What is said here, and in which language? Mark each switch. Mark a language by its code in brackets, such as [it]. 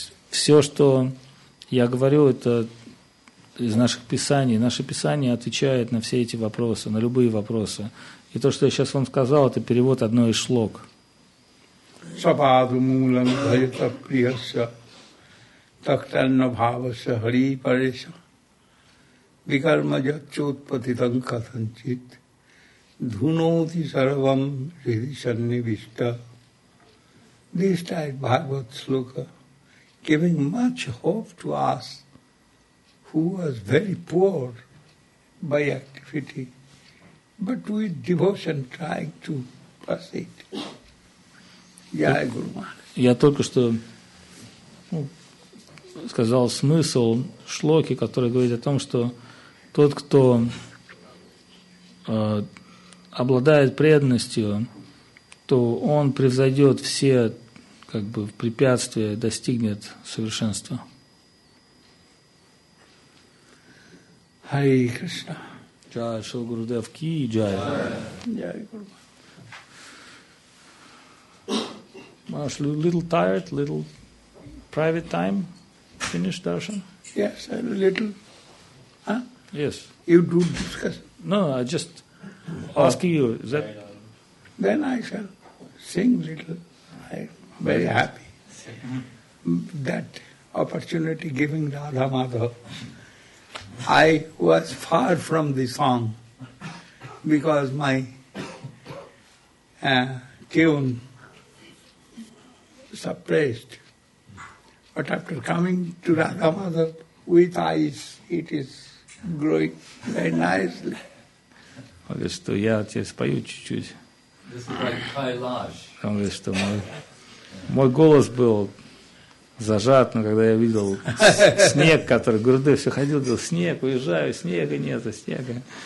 [ru] Все, что я говорю, это из наших писаний. Наше писание отвечает на все эти вопросы, на любые вопросы. И то, что я сейчас вам сказал, это перевод одной из шлок. [sa] Сападу мулам дхайта прияса тактанна бхаваса хари пареса. Викарма ячотпатитам катанчит dhunoti sarvam vidishannivishta. [en] This type Bhagavad Sloka, giving much hope to us who was very poor by activity, but with devotion trying to proceed. [sa] Jai Guru Maharaj. [ru] Я только что сказал смысл шлоки, который говорит о том, что тот, кто обладает преданностью, то он превзойдет все как бы препятствия, достигнет совершенства. Хари Кришна. Джай Шри Гурудев Ки и Джай. Джай Гуру. [en] Маш, little tired, little private time. Finish darshan? Yes, a little. Huh? Yes. You do discuss? No, I just ask you. Is that? Then I shall sing little. I'm very happy. That opportunity giving Radha Madhav. I was far from the song because my tune suppressed. But after coming to Radha Madhav with eyes, it is growing very nicely. [ru] Он говорит, что я тебе спою чуть-чуть. [en] This is like Kailash. [ru] Он говорит, что мой голос был зажат, но когда я видел снег, который Гурудев все ходил, говорил, снег, уезжаю, снега нет, снега.